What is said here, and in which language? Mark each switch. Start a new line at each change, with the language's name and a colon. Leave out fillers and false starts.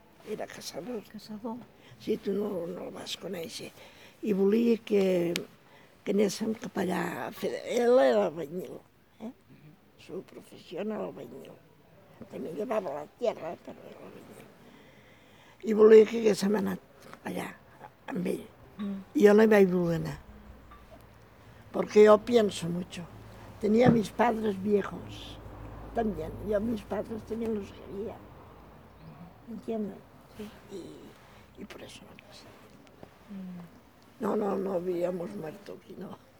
Spanish: Era cazador. Cazador.
Catalan: Sí, tú no, no lo vas conèixer. I volia que anéssim cap allà a fer...
Spanish: Ell era albañil, su profesión era albañil. También llevaba la tierra, pero era albañil.
Catalan: I volia que haguéssim anat allà, amb ell. I jo no hi vaig voler anar.
Spanish: Porque yo pienso mucho. Tenía a mis padres viejos, también. Yo a mis padres también los quería. ¿Entiendes? Sí. Y por eso no pasé. No, no, no habíamos muerto aquí, no.